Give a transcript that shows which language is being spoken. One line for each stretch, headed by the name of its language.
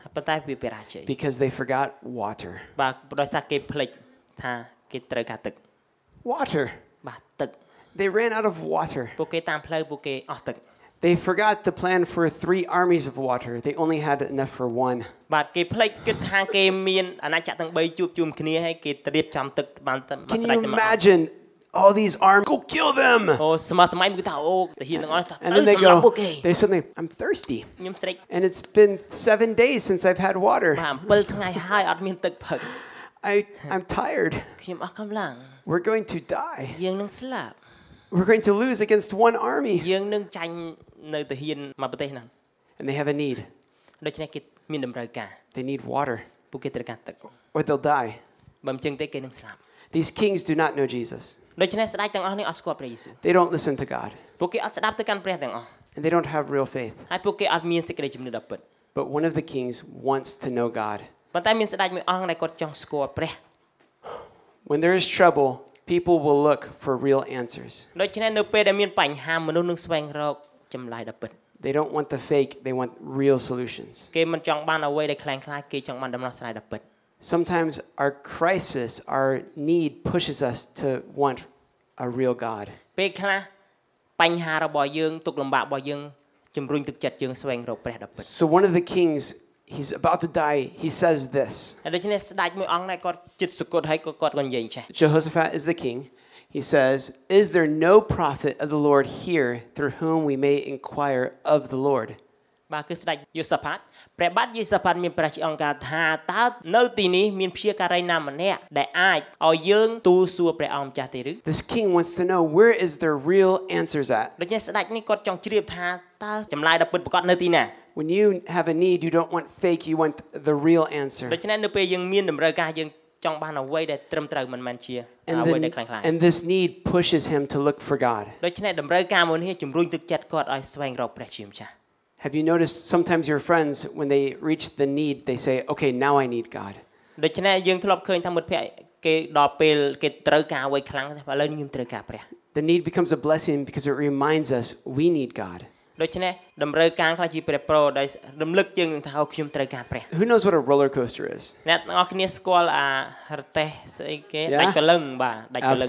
Khmer: ប៉ុន្តែវាបរាជ័យ
English: because they forgot water
Khmer: បាទដោយសារគេភ្លេចថាគេត្រូវការទឹក
English: water
Khmer: បាទទឹក
English: they ran out of water
Khmer: ពួកគេតាមផ្លូវពួកគេអស់ទឹក
English: they forgot the plan for 3 armies of water they only had enough for 1
Khmer: បាទគេភ្លេចគិតថាគេមានអាណាចក្រទាំង3ជួបជុំគ្នាហើយគេត្រៀមចាំទឹកបានតែមកស្ដេចតែមក
English: can you imagine all these armies go kill them
Khmer: oh សមាសម័យគឺថាអូទាហានទាំងអស់ទៅសម្លាប់ពួកគេ
English: they suddenly I'm thirsty
Khmer: ខ្ញុំស្រេក
English: and it's been 7 days since I've had water
Khmer: បាទ7ថ្ងៃហើយអត់មានទឹកផឹក
English: I'm tired
Khmer: ខ្ញុំអស់កម្លាំង
English: we're going to die
Khmer: យើងនឹងស្លាប់
English: we're going to lose against one army
Khmer: យើងនឹងចាញ់នៅទាហានមកប្រទេសហ្នឹង
English: and they have a need
Khmer: ដូច្នេះគេមានតម្រូវការ
English: they need water
Khmer: ពួកគេត្រូវការទឹក
English: or they'll die
Khmer: បើមិនចឹងទេគេនឹងស្លាប់
English: these kings do not know Jesus
Khmer: ដូច្នេះស្ដេចទាំងអស់នេះអត់ស្គាល់ព្រះយេស៊ូ
English: វ they don't listen to God
Khmer: ពួកគេអត់ស្ដាប់ទៅកាន់ព្រះទាំងអស់
English: and they don't have real faith
Khmer: ហើយពួកគេអត់មានសេចក្ដីជំនឿដ៏ពិត
English: but one of the kings wants to know God
Khmer: ប៉ុន្តែមានស្ដេចមួយអង្គដែលគាត់ចង់ស្គាល់ព្រះ
English: when there is trouble people will look for real answers
Khmer: ដូច្នេះនៅពេលដែលមានបញ្ហាមនុស្សនឹងស្វែងរកចម្លើយដ៏ពិត
English: they don't want the fake they want real solutions
Khmer: គេមិនចង់បានអ្វីដែលខ្លាំងខ្លាគេចង់បានដំណោះស្រាយដ៏ពិត
English: Sometimes our crisis, our need pushes us to want a real God.
Khmer: ពេលខ្លះបញ្ហារបស់យើងទុក្ខលំបាករបស់យើងជំរុញទឹកចិត្តយើងស្វែងរកព្រះដ៏ពិត
English: So one of the kings, he's about to die, he says this.
Khmer: ហើយដូច្នេះស្ដេចមួយអង្គណែគាត់ចិត្តសង្កត់ហើយគាត់ក៏និយាយចេះ
English: Jehoshaphat is the king. He says, "Is there no prophet of the Lord here through whom we may inquire of the Lord?"
Khmer: បាទគឺស្ដេចយូសាផាតព្រះបាទយូសាផាតមានប្រាជ្ញាអង្ការថាតើនៅទីនេះមានភៀការីណាម្នាក់ដែលអាចឲ្យយើងទូលសួរព្រះអង្គម្ចាស់ទេឬ
English: This king wants to know where is the real answers at
Khmer: ដូច្នេះស្ដេចនេះគាត់ចង់ជ្រាបថាតើចម្លើយដ៏ពិតប្រាកដនៅទីណា
English: When you have a need you don't want fake you want the real answer
Khmer: ដូច្នេះនៅពេលយើងមានតម្រូវការយើងចង់បានអ្វីដែលត្រឹមត្រូវមិនមែនជាអ្វីដែលខ្លាំងខ្លា
English: And this need pushes him to look for God
Khmer: ដូច្នេះតម្រូវការមួយនេះជំរុញទឹកចិត្តគាត់ឲ្យស្វែងរកព្រះជាម្ចាស់
English: Have you noticed sometimes your friends when they reach the need they say okay now I need God
Khmer: ដូច្នេះយើងធ្លាប់ឃើញថាមិត្តភ័ក្តិគេដល់ពេលគេត្រូវការអ្វីខ្លាំងតែឥឡូវខ្ញុំត្រូវការព្រះ
English: The need becomes a blessing because it reminds us we need God
Khmer: ដូច្នេះតម្រូវការខ្លះជាព្រះប្រោដោយរំលឹកយើងថាខ្ញុំត្រូវការព្រះ
English: Who knows what a roller coaster is
Khmer: អ្នកទាំងអស់គ្នាស្គាល់អារទេះស្អីគេដាច់ព្រលឹងបាទដាច់ព្រលឹង